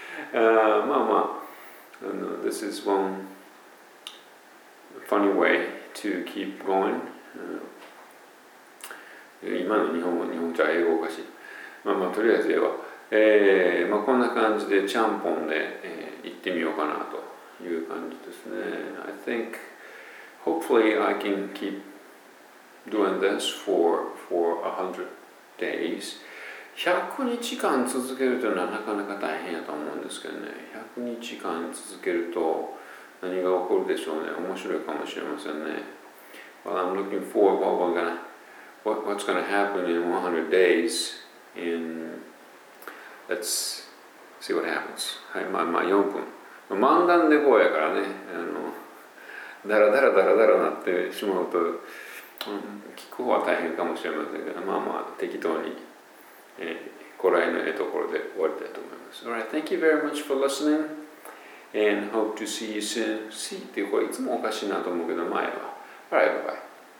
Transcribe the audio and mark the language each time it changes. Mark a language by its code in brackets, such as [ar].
[en] This is one funny way to keep going、 [ja] 今の日本語、日本語じゃ英語おかしい。とりあえず英語。こんな感じでちゃんぽんで、行ってみようかなという感じですね。 [en] I think hopefully I can keep doing this for 100 days. [ja] 100日間続けるというのはなかなか大変やと思うんですけどね。 100日間続けると何が起こるでしょうね。面白いかもしれませんね。 [en] Well, I'm looking forward to what's going to happen in 100 days in... Let's see what happens. [ja] はい、4分。漫談でこうやからね、だらだらだらだらなってしまうと、聞く方は大変かもしれませんけど、適当に、こらえのええところで終わりたいと思います。 [en] Alright, thank you very much for listening and hope to see you soon. See [ja] っていう声、いつもおかしいなと思うけど、前は。 [en] Alright, bye bye.